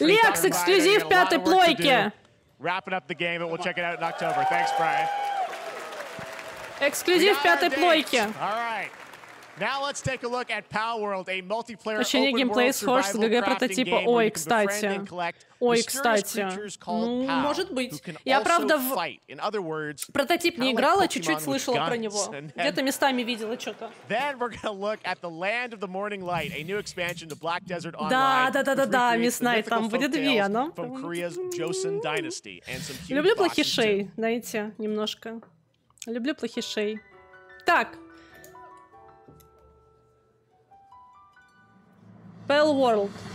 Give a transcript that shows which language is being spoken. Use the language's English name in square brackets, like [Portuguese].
[Russian] Лекс, эксклюзив пятой плойки. [English] Wrapping up the game, but we'll check it out in October. Thanks, Brian. [Russian] Эксклюзив пятой плойки. [English] All right. Now let's take a look at Pal World, a multiplayer open world survival crafting game where you befriend and collect mysterious creatures called Pal, who can also fight. In other words, [Russian] прототип не играла, чуть-чуть слышала про него, где-то местами видела что-то. [English] Then we're gonna look at the Land of the Morning Light, a new expansion to Black Desert Online. [Russian] Да, да, да, да, да, мясная, там будет две, но. [English] From Korea's Joseon Dynasty and some huge. [Russian] Люблю плохишей, знаете, немножко. Люблю плохишей. Так. [English] Pal World.